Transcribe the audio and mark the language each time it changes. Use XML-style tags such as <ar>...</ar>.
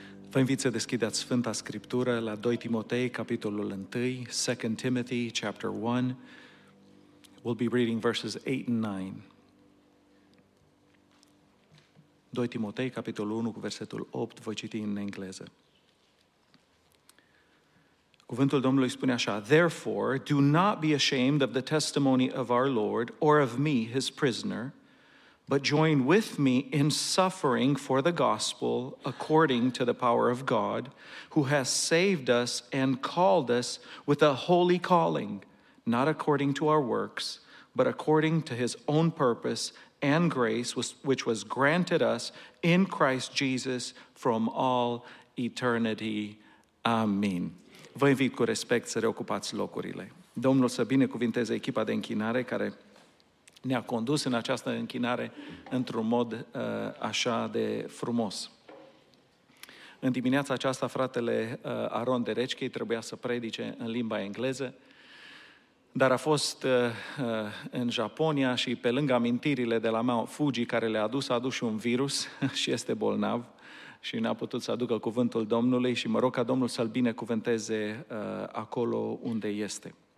<ro>Vă invit să deschideți Sfânta Scriptură la 2 Timotei, capitolul 1,</ro> <en>2 Timothy, chapter 1. We'll be reading verses 8 and 9.</en> <ro>2 Timotei, capitolul 1, cu versetul 8, voi citi în engleză. Cuvântul Domnului spune așa:</ro> <en>Therefore, do not be ashamed of the testimony of our Lord or of me, his prisoner, but join with me in suffering for the gospel according to the power of God, who has saved us and called us with a holy calling, not according to our works, but according to his own purpose and grace, which was granted us in Christ Jesus from all eternity.</en> <ro>Amen. Vă invit cu respect să reocupați locurile. Domnul să binecuvinteze echipa de închinare care ne-a condus în această închinare într-un mod așa de frumos. În dimineața aceasta, fratele Aron Derechkei trebuia să predice în limba engleză, dar a fost în Japonia și pe lângă amintirile de la Mount Fuji care le-a adus, a adus și un virus și este bolnav și n-a putut să aducă cuvântul Domnului și mă rog ca Domnul să-l binecuvânteze acolo unde este.</ro>